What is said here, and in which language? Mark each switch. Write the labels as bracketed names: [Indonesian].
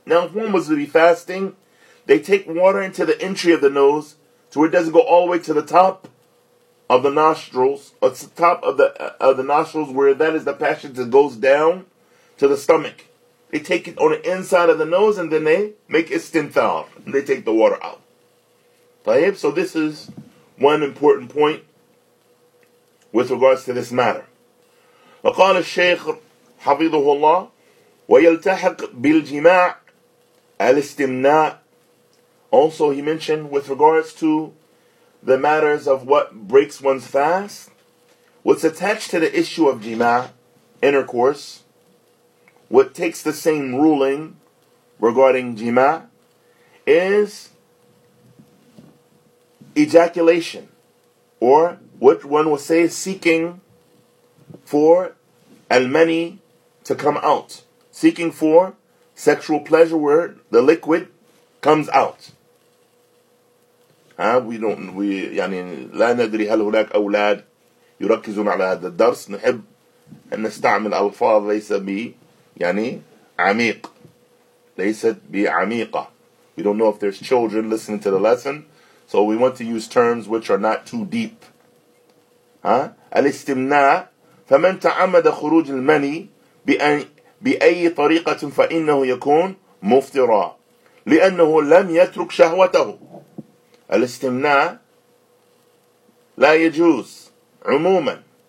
[English] Now if one was to be fasting, they take water into the entry of the nose, to where it doesn't go all the way to the top of the nostrils, or to the top of the nostrils, where that is the passage that goes down to the stomach. They take it on the inside of the nose, and then they make istinthar, and they take the water out. Tayyib, so this is one important point with regards to this matter. [Arabic] وقال الشيخ حفظه الله ويلتحق بالجماع الاستمناء. [English] Also, he mentioned with regards to the matters of what breaks one's fast, what's attached to the issue of jima, intercourse, what takes the same ruling regarding jima, is ejaculation, or what one will say is seeking for al-mani to come out, seeking for sexual pleasure where the liquid comes out. [Arabic] يعني لا ندري هل هناك أولاد يركزون على هذا الدرس نحب أن نستعمل ألفاظ ليس ب يعني عميق ليست بعميقة. [English] We don't know if there's children listening to the lesson, so we want to use terms which are not too deep. [Arabic] الاستمناء فمن تعمد خروج المني بأي طريقة فإنه يكون مفترا لأنه لم يترك شهوته. الاستمناء لا يجوز عموما.